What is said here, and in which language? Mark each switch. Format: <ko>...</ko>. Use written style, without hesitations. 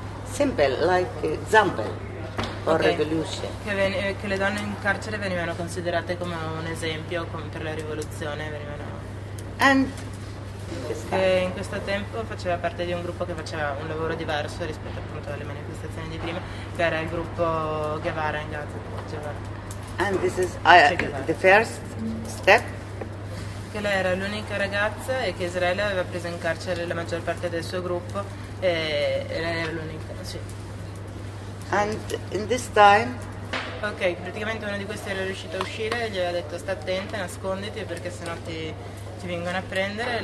<en>Simple, like example for okay. Revolution.</en> <it>Che le donne in carcere venivano considerate come un esempio per la rivoluzione. Venivano.</it> <en>And</en> <it>che in questo tempo faceva parte di un gruppo che faceva un lavoro diverso rispetto appunto alle manifestazioni di prima, che era il gruppo Guevara in Gaza.</it> <en>And this is the first step.</en> <it>Che lei era l'unica ragazza e che Israele aveva preso in carcere la maggior parte del suo gruppo e lei era l'unica, sì.</it> <en>And in this time.</en> <it>Ok, praticamente uno di questi era riuscito a uscire e gli aveva detto sta attenta, nasconditi perché sennò ti vengono a prendere.</it>